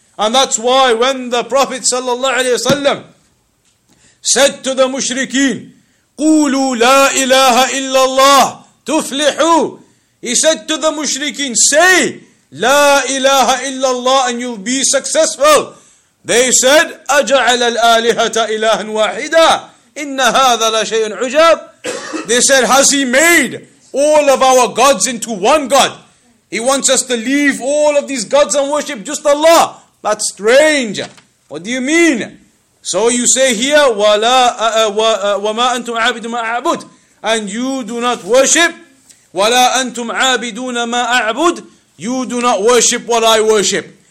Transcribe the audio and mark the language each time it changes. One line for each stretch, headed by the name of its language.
English: And that's why when the Prophet ﷺ said to the mushrikeen,
Arabic: قُولُوا لَا إِلَهَ إِلَّا اللَّهِ تُفْلِحُوا,
English: he said to the mushrikeen, say,
Arabic: لَا إِلَهَ إِلَّا اللَّهِ,
English: and you'll be successful. They said,
Arabic: أَجَعَلَ الْآلِهَةَ إِلَهًا وَاحِدًا, إِنَّ هَذَا لَشَيْءٌ عُجَابٌ.
English: They said, has he made all of our gods into one god? He wants us to leave all of these gods and worship just Allah. That's strange. What do you mean? So you say here,
Arabic: وَمَا أَنْتُمْ عَابِدُ مَا أَعْبُدُ,
English: and you do not worship,
Arabic: وَلَا أَنْتُمْ عَابِدُونَ مَا أَعْبُدُ,
English: you do not worship what I worship.